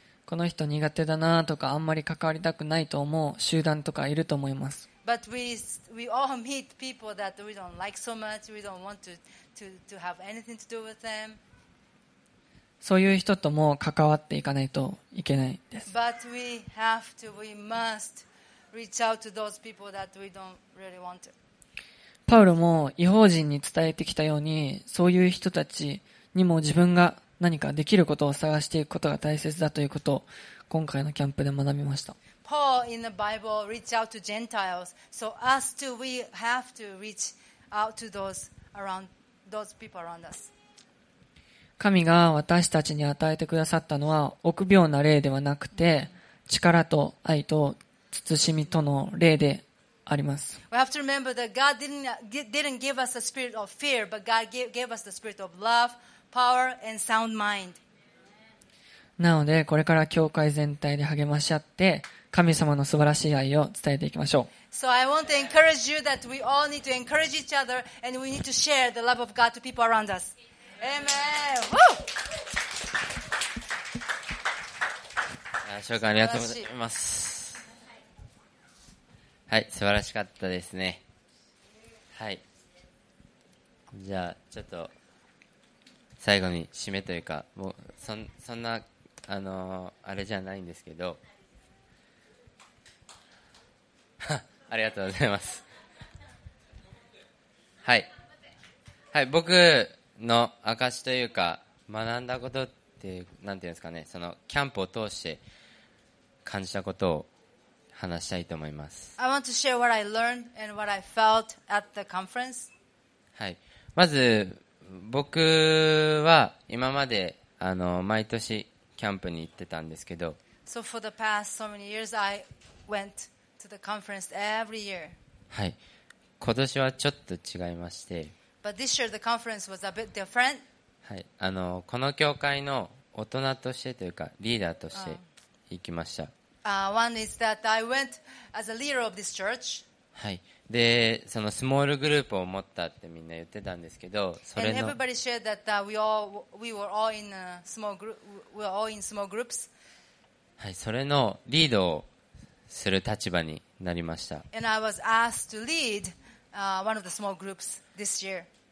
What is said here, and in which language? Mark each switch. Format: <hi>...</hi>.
<ja>この人苦手だなとかあんまり関わりたくないと思う集団とかいると思います。</ja> <en>But we all meet people that we don't like so much. We don't want to have anything to do with them.</en> <ja>そういう人とも関わっていかないといけないです。</ja> <en>But we have to, we must reach out to those people that we don't really want to.</en> <ja>パウロも異邦人に伝えてきたように、そういう人たちにも自分が何かできることを探していくことが大切だということを今回のキャンプで学びました。</ja> <en>Paul in the Bible reached out to Gentiles, so us too, we have to reach out to those people around us.</en> <ja>神が私たちに与えてくださったのは臆病な霊ではなくて力と愛と慎みとの霊であります。</ja> <en>We have to remember that God didn't give us a spirit of fear, but God gave us the spirit of love, power, and sound mind.</en> <ja>なのでこれから教会全体で励まし合って神様の素晴らしい愛を伝えていきましょう。</ja> <en>So I want to encourage you that we all need to encourage each other and we need to share the love of God to people around us. Amen. Woo!</en> <ja>紹介ありがとうございます。はい、素晴らしかったですね。はい。じゃあちょっと最後に締めというか、もう そんなあれじゃないんですけど。ありがとうございます。はい。はい、僕の証というか、学んだことって、なんていうんですかね、その、キャンプを通して感じたことを話したいと思います。</ja> <en>I want to share what I learned and what I felt at the conference.</en> <ja>はい。まず、僕は今まで、毎年、キャンプに行ってたんですけど、</ja> <en>So for the past so many years, I went. The conference every year.</en> <ja>はい、今年はちょっと違いまして。</ja> <en>But this year the conference was a bit different.</en> <ja>はい、この教会の大人としてというかリーダーとして行きました。</ja> <en>One is that I went as a leader of this church.</en> <ja>はい。で、そのスモールグループを持ったってみんな言ってたんですけど、それの。</ja> <en>And everybody shared that we were all in small groups.</en> <ja>はい。それのリードをする立場になりました。</ja> <en>And I was asked to lead one of the small groups this year.</en>